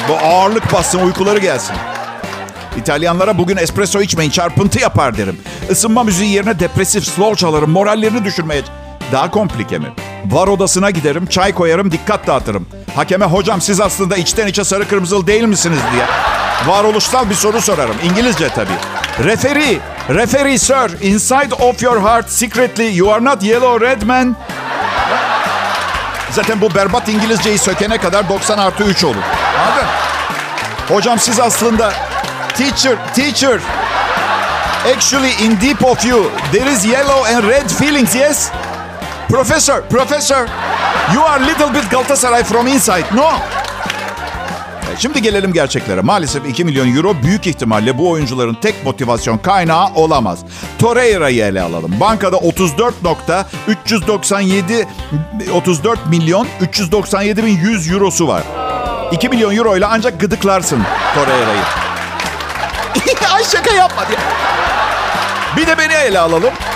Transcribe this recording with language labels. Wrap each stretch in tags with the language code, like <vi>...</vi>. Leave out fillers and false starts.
<tr>Bu ağırlık bassın, uykuları gelsin. İtalyanlara bugün espresso içmeyin, çarpıntı yapar derim. Isınma müziği yerine depresif slow çalarım, morallerini düşürmeye... Daha komplike mi? Var odasına giderim, çay koyarım, dikkat dağıtırım. Hakeme hocam siz aslında içten içe sarı kırmızılı değil misiniz diye. Varoluşsal bir soru sorarım. İngilizce tabii.</tr> <en>Referee sir, inside of your heart secretly you are not yellow red man.</en> <tr>Zaten bu berbat İngilizceyi sökene kadar 90+3 olur. Hadi. Hocam siz aslında teacher.</tr> <en>Actually in deep of you there is yellow and red feelings, yes? Professor, you are little bit Galatasaray from inside, no?</en> <tr>Şimdi gelelim gerçeklere. Maalesef 2 milyon euro büyük ihtimalle bu oyuncuların tek motivasyon kaynağı olamaz. Torreira'yı ele alalım. Bankada 34.397.100 eurosu var. 2 milyon euro ile ancak gıdıklarsın Torreira'yı. Ay şaka yapma diye. Bir de beni ele alalım.</tr>